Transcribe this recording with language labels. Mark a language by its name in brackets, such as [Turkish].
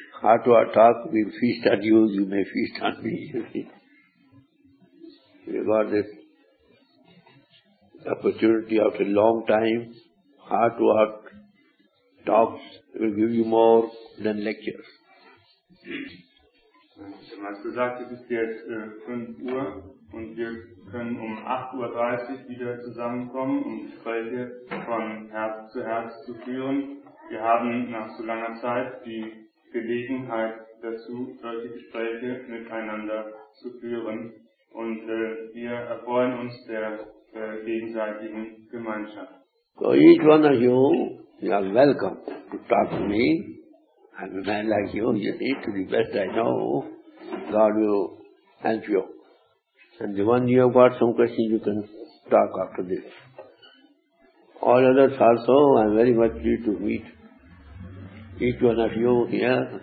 [English] Heart to heart talk, we'll feast on you, you may feast on me. We got this opportunity after a long time. Heart to heart talks will give you more than lectures. [German] Sie haben gesagt, es ist jetzt 5 Uhr und wir können um 8.30 Uhr wieder zusammenkommen, um Gespräche von Herz zu Herz zu führen. Wir haben nach so langer Zeit die Gelegenheit dazu, solche Gespräche miteinander zu führen und wir erfreuen uns der gegenseitigen Gemeinschaft. [English] So each one of you, you are welcome to talk to me. I'm a man like you, you need to the best I know. God will help you. And the one you have got some questions, you can talk after this. All others also, I'm very much pleased to meet each one of you here.